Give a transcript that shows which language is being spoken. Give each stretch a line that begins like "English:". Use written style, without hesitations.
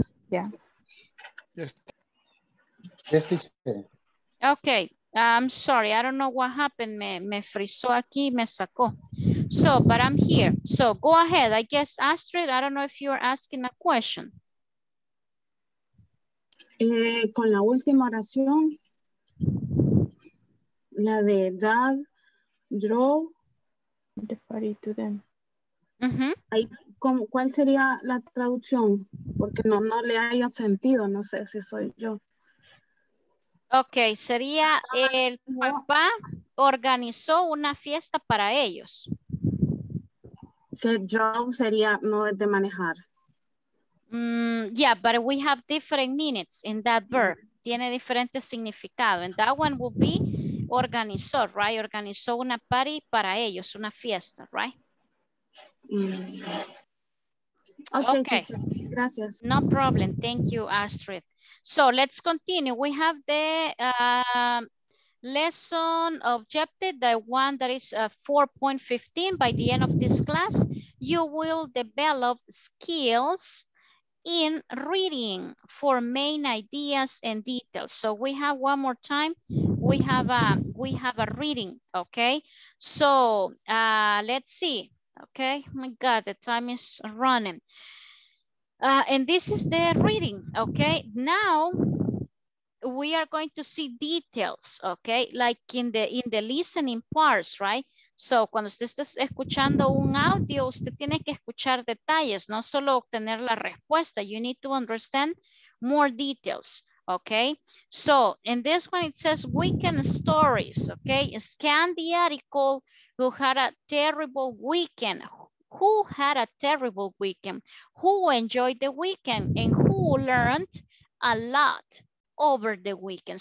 English: Yeah. Okay, I'm sorry. I don't know what happened.
Spanish: Me frizó aquí y me sacó.
English: So, but I'm here. So go ahead. I guess, Astrid, I don't know if you are asking a question.
Spanish: Con la última oración, la de Dad drove
English: the party to them.
Spanish: Mm-hmm. ¿Cuál sería la traducción? Porque no le haya sentido, no sé si soy yo. Ok, sería el papá organizó una fiesta para ellos. Que drove sería no es de manejar.
English: Yeah, but we have different meanings in that verb.
Spanish: Tiene diferente significado.
English: And that one would be organizó, right?
Spanish: Organizó una party para ellos, una fiesta, right? Okay. Gracias.
English: No problem. Thank you, Astrid. So let's continue. We have the lesson objective, the one that is 4.15. By the end of this class, you will develop skills in reading for main ideas and details. So we have one more time. We have a reading, okay? So let's see, okay? Oh my God, the time is running. And this is the reading, okay? Now we are going to see details, okay? Like in the listening parts, right?
Spanish: So cuando usted está escuchando un audio, usted tiene que escuchar detalles, no solo obtener la respuesta.
English: You need to understand more details, okay? So in this one, it says weekend stories, okay? Scan the article who had a terrible weekend. Who had a terrible weekend? Who enjoyed the weekend? And who learned a lot over the weekend?